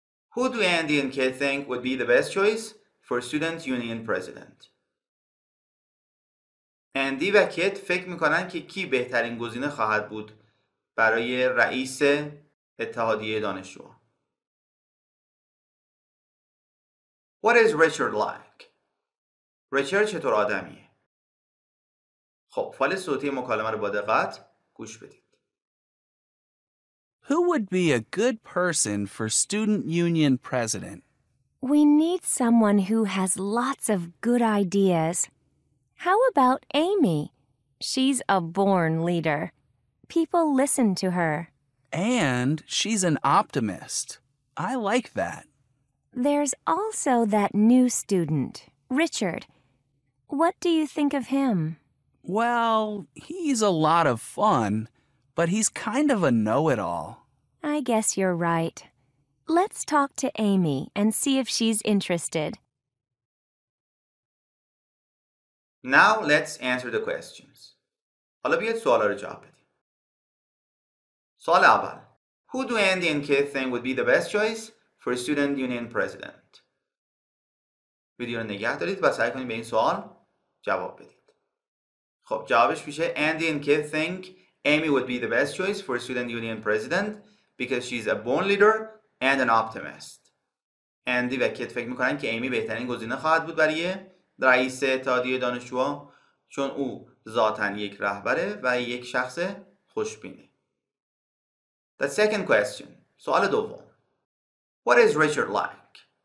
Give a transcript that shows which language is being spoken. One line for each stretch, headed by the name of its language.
English: Who do Andy and Kate think would be the best choice for student union president?
Persian: Andy و Kate فکر میکنن که کی بهترین گزینه خواهد بود برای رئیس اتحادیه دانشجو.
English: What is Richard like?
Persian: Richard چطور آدمیه؟ خب، فایل صوتی مکالمه رو با دقت گوش بدید.
English: Who would be a good person for student union president? We need someone who has lots of good ideas. How about Amy? She's a born leader. People listen to her. And she's an optimist. I like that. There's also that new student, Richard. What do you think of him? Well, he's a lot of fun, but he's kind of a know-it-all. I guess you're right. Let's talk to Amy and see if she's interested. Now let's answer the questions.
Persian: حالا بیاید سوالا رو جواب بدیم. سوال اول،
English: Who do Andy and Kate think would be the best choice for student union president?
Persian: ویدیو رو نگه دارید و سعی کنید به این سوال جواب بدید. خب جوابش میشه
English: Andy and Kate think Amy would be the best choice for student union president because she's a born leader and an optimist.
Persian: Andy و Kate فکر میکنن که Amy بهترین گزینه خواهد بود برای رئیس اتحادیه دانشجوها چون او ذاتاً یک رهبره و یک شخص خوشبینه.
English: The second question.
Persian: سوال دوم.
English: What is Richard like?